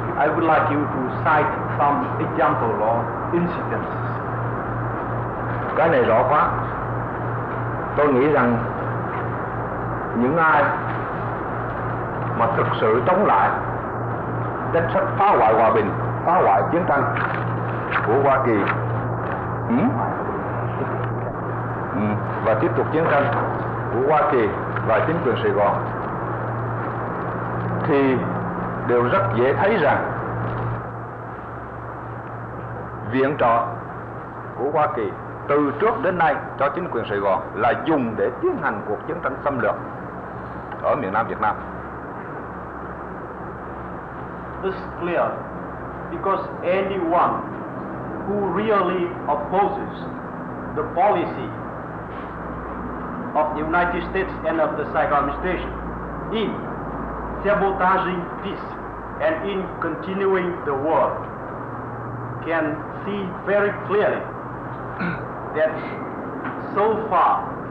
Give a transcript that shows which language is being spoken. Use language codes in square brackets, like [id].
[en] I would like you to cite some example or incidents. [vi] Cái này rõ quá. Tôi nghĩ rằng những ai mà thực sự chống lại chính sách phá hoại hòa bình, phá hoại chiến tranh của Hoa Kỳ và tiếp tục chiến tranh của Hoa Kỳ và chính quyền Sài Gòn thì đều rất dễ thấy rằng viện trợ của Hoa Kỳ từ trước đến nay cho chính quyền Sài Gòn là dùng để tiến hành cuộc chiến tranh xâm lược ở miền Nam Việt Nam. [en] This is clear because anyone who really opposes the policy of the United States and of the Saigon administration in sabotaging peace and in continuing the war can see very clearly that so far